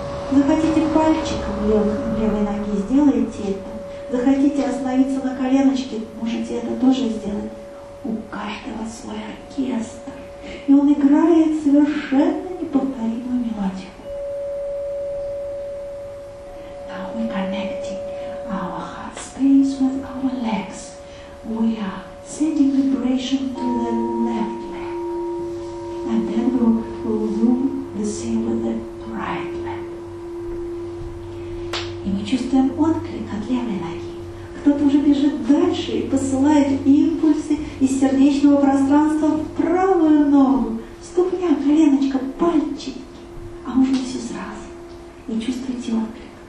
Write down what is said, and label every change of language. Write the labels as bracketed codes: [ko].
[ru] Захотите пальчиком левой ноги, сделайте это. Захотите остановиться на коленочке, можете это тоже сделать. У каждого свой оркестр. И он играет совершенно неповторимую мелодию. [en] Now we're connecting our heart space with our legs. We are sending vibration to the left leg. And then we'll do the same with the right. [ru] И мы чувствуем отклик от левой ноги. Кто-то уже бежит дальше и посылает импульсы из сердечного пространства в правую ногу. Ступня, коленочка, пальчики. А может быть все сразу. И чувствуете отклик.